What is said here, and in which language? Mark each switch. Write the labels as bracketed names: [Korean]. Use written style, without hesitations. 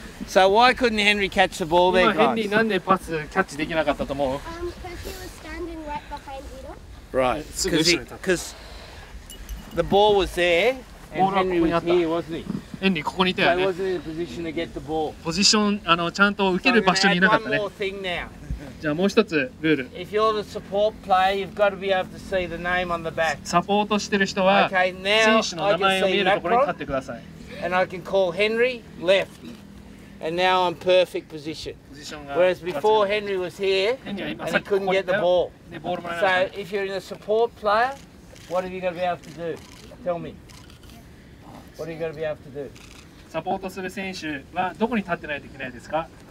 [English] So why couldn't Henry catch the ball there, guys? [Japanese] Henry, なんでパスキャッチできなかったと思う? [English] Because he was standing right behind Edo. Right. Because the ball was there. And Henry was here, wasn't he? [Japanese] Henry, ここにいたよね。 [English] I wasn't in a position to get the ball. [Japanese] ポジション、ちゃんと受ける場所にいなかったね。 [English] So I'm gonna add one more thing now. [Japanese] じゃあもう一つルール。 [English] If you're the support player, you've got to be able to see the name on the back. [Japanese] サポートしてる人は、 [English] okay, now [Japanese] 選手の名前を見えるところに立ってください。 [English] And I can call Henry left. And now I'm perfect position. Whereas before Henry was here and he couldn't get the ball. So if you're in a support player, what are you going to be able to do? Tell me. What are you going to be able to do? [Japanese] サポートする選手はどこに立ってないといけないですか?